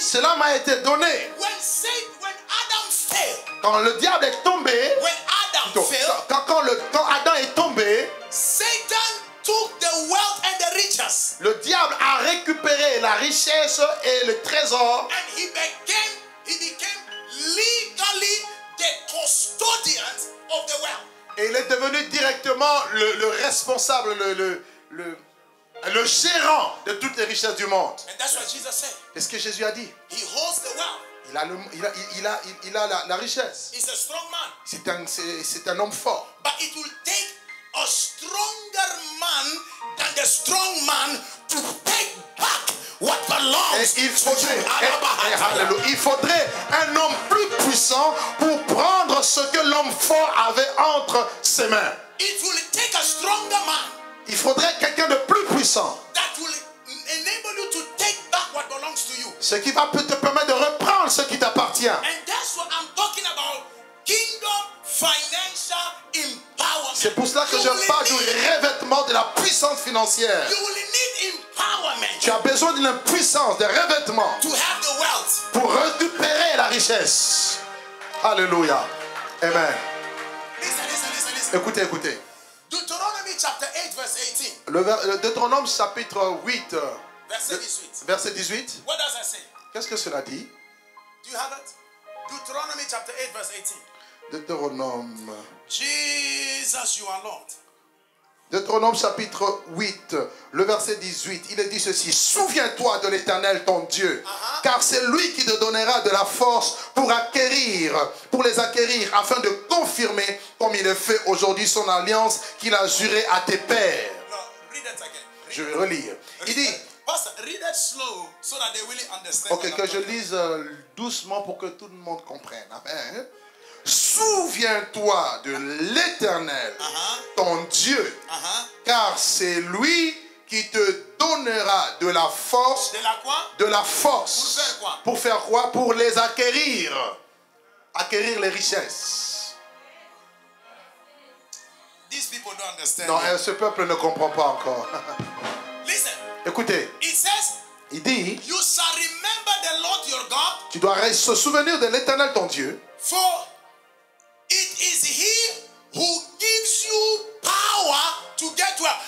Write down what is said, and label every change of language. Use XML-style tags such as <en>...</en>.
<fr>Cela m'a été donné.</fr> <en>When Adam fell,</en> <fr>quand le diable est tombé,</fr> <en>when Adam donc, fell,</en> <fr>quand Adam est tombé,</fr> <en>Satan took the wealth and the riches.</en> <fr>Le diable a récupéré la richesse et le trésor.</fr> <en>And he became legally the custodian of the wealth.</en> <fr>Et il est devenu directement le responsable, le gérant de toutes les richesses du monde.</fr> <en>And that's what Jesus said.</en> <fr>Est-ce que Jésus a dit?</fr> <en>He holds the wealth.</en> <fr>Il a la richesse.</fr> <en>He's a strong man.</en> <fr>C'est un homme fort.</fr> <en>But it will take a stronger man than the strong man to take back what belongs to him.</en> <fr>Il faudrait un homme plus puissant pour prendre ce que l'homme fort avait entre ses mains.</fr> <en>It will take a stronger man.</en> <fr>Il faudrait quelqu'un de plus puissant.</fr> <en>That will enable you to take back what belongs to you.</en> <fr>Ce qui va te permettre de reprendre ce qui t'appartient.</fr> <en>And that's what I'm talking about. Kingdom financial empowerment.</en> <fr>C'est pour cela que je parle du revêtement de la puissance financière.</fr> <en>You will need empowerment.</en> <fr>Tu as besoin d'une puissance, d'un revêtement.</fr> <en>To have the wealth.</en> <fr>Pour récupérer la richesse. Alléluia. Amen.</fr> <en>Listen.</en> <fr>Écoutez.</fr> <en>Deuteronomy chapter 8, verse 18.</en> <fr>Le Deutéronome chapitre 8. Verset 18.</fr> <en>What does that say?</en> <fr>Qu'est-ce que cela dit?</fr> <en>Do you have it? Deuteronomy chapter 8, verse 18.</en> <fr>Deutéronome.</fr> <en>Jesus, you are Lord.</en> <fr>Deutéronome chapitre 8, le verset 18, il est dit ceci: souviens-toi de l'Éternel ton Dieu, car c'est lui qui te donnera de la force pour les acquérir, afin de confirmer, comme il est fait aujourd'hui, son alliance qu'il a juré à tes pères.</fr> <en>No, read it again.</en> <fr>Je vais relire. Il dit.</fr> <en>Pastor, read it slow so that they really understand.</en> <fr>Ok, que je lise doucement pour que tout le monde comprenne. Amen. Souviens-toi de l'Éternel, ton Dieu, car c'est lui qui te donnera de la force. De la quoi? De la force. Pour faire quoi? Pour faire quoi? Pour les acquérir. Acquérir les richesses.</fr> <en>These people don't understand.</en> <fr>Non, ce peuple ne comprend pas encore.</fr> <en>Listen.</en> <fr>Écoutez.</fr> <en>It says,</en> <fr>il dit,</fr> <en>you shall remember the Lord your God.</en> <fr>Tu dois se souvenir de l'Éternel, ton Dieu.</fr> <en>For it is he who gives you power to get</en>